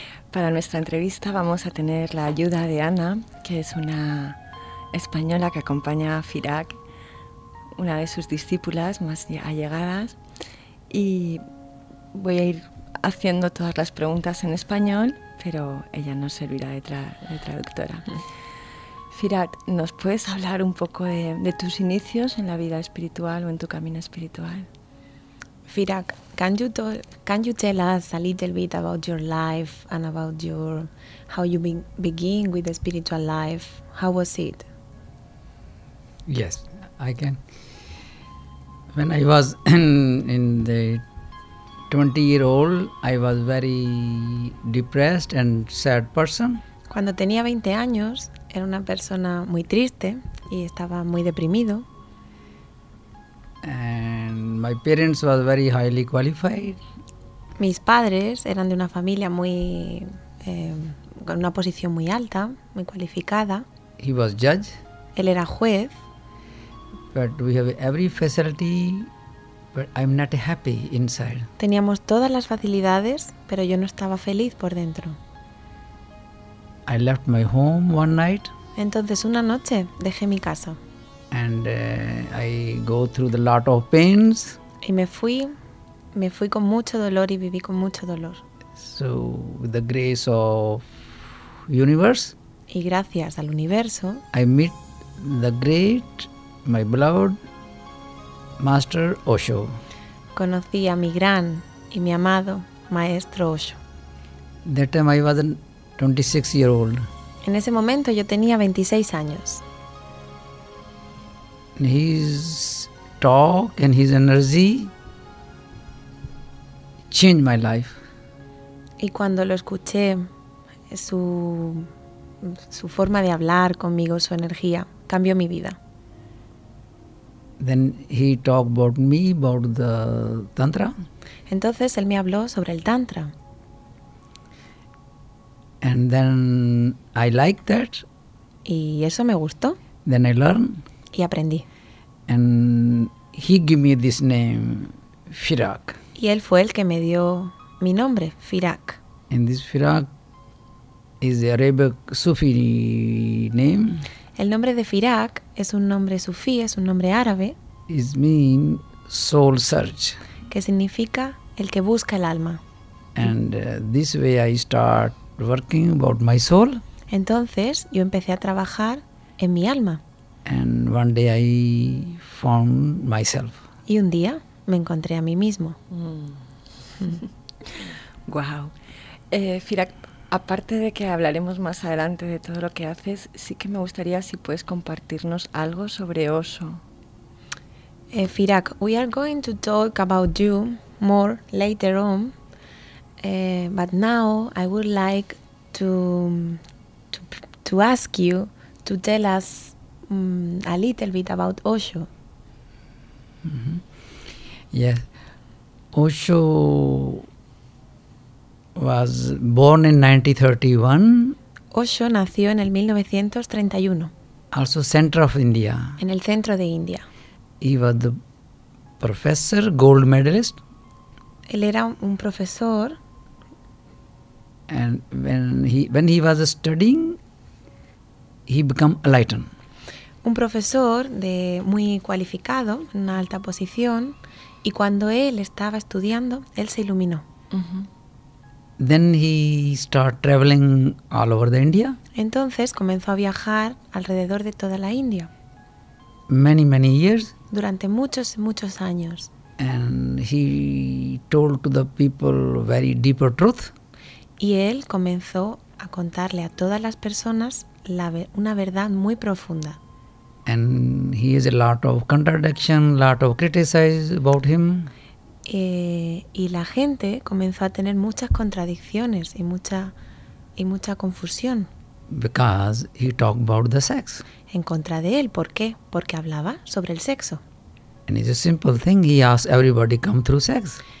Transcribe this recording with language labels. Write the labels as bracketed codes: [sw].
[es] Para nuestra entrevista vamos a tener la ayuda de Ana, que es una española que acompaña a Zirak, una de sus discípulas más allegadas. Y voy a ir haciendo todas las preguntas en español, pero ella nos servirá de traductora. Zirak, ¿nos puedes hablar un poco de tus inicios en la vida espiritual o en tu camino espiritual? [en] Zirak, can you tell us a little bit about your life and about your how you begin with the spiritual life? How was it? Yes, I can. When I was in the 20-year-old, I was very depressed and sad person. [es] Cuando tenía 20 años, era una persona muy triste y estaba muy deprimido. [en] And my parents was very highly qualified. [es] Mis padres eran de una familia muy con una posición muy alta, muy cualificada. [en] He was judge. [es] Él era juez. [en] But we have every facility, but I'm not happy inside. [es] Teníamos todas las facilidades, pero yo no estaba feliz por dentro. [en] I left my home one night. [es] Entonces una noche dejé mi casa. [en] And I go through the lot of pains. [es] Y me fui con mucho dolor y viví con mucho dolor. [en] So with the grace of universe. [es] Y gracias al universo. [en] I meet the great, my beloved master Osho. [es] Conocí a mi gran y mi amado maestro Osho. [en] That time I was 26 year old. [es] En ese momento yo tenía 26 años. [en] His talk and his energy changed my life. [es] Y cuando lo escuché, su forma de hablar conmigo, su energía, cambió mi vida. [en] Then he talked about me, about the tantra. [es] Entonces él me habló sobre el tantra. [en] And then I liked that. [es] Y eso me gustó. [en] Then I learned. [es] Y aprendí. [en] And he gave me this name, Firak. [es] Y él fue el que me dio mi nombre, Firak. [en] And this Firak is the Arabic Sufi name. [es] El nombre de Firak es un nombre sufí, es un nombre árabe. [en] It means soul search. [es] Que significa el que busca el alma. [en] And this way I start working about my soul. [es] Entonces yo empecé a trabajar en mi alma. [en] And one day I found myself. [es] Y un día me encontré a mí mismo. Mm. Wow. Firak, aparte de que hablaremos más adelante de todo lo que haces, sí que me gustaría si puedes compartirnos algo sobre Osho. [en] Firak, we are going to talk about you more later on. But now I would like to ask you to tell us a little bit about Osho. Mm-hmm. Yes, Osho was born in 1931. [es] Osho nació en el 1931. [en] Also center of India. [es] En el centro de India. [en] He was the professor, gold medalist. [es] Él era un profesor. [en] And when he was studying, he became enlightened. [es] Un profesor de muy cualificado, en una alta posición, y cuando él estaba estudiando, él se iluminó. Uh-huh. [en] Then he started traveling all over the India. [es] Entonces comenzó a viajar alrededor de toda la India. [en] Many, many years. [es] Durante muchos, muchos años. [en] And he told to the people very deeper truth. [es] Y él comenzó a contarle a todas las personas una verdad muy profunda. [en] And he has a lot of contradiction, lot of criticism about him. [es] Y la gente comenzó a tener muchas contradicciones y mucha confusión. [en] Because he talked about the sex. [es] En contra de él, ¿por qué? Porque hablaba sobre el sexo. [en] And it's a simple thing. He asked everybody to come through sex.